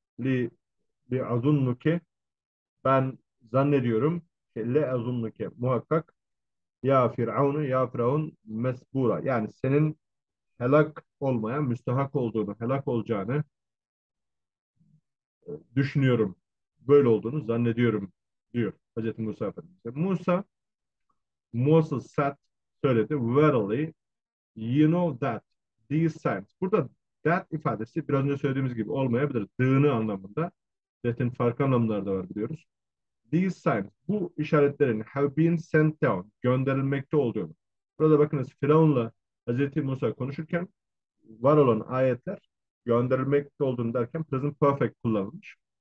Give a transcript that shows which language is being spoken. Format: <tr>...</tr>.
<ar>Li azunnuke,</ar> <tr>ben zannediyorum ki</tr> <ar>li azunnuke</ar> <tr>muhakkak ya Firavun, ya Firavun</tr> <ar>mesbura,</ar> <tr>yani senin helak olmaya müstahak olduğunu, helak olacağını düşünüyorum. Böyle olduğunu zannediyorum diyor Hazreti Musa Efendimiz.</tr> <en>Musa, Moses said,</en> <tr>söyledi.</tr> <en>Verily, you know that these signs.</en> <tr>Burada that ifadesi biraz önce söylediğimiz gibi olmayabilir. Dığını anlamında. That'in farklı anlamları da var biliyoruz.</tr> <en>These signs,</en> <tr>bu işaretlerin</tr> <en>have been sent down,</en> <tr>gönderilmekte olduğunu. Burada bakınız Firavun'la Hazreti Musa konuşurken var olan ayetler gönderilmekte olduğunu derken present perfect kullanılmış.</tr>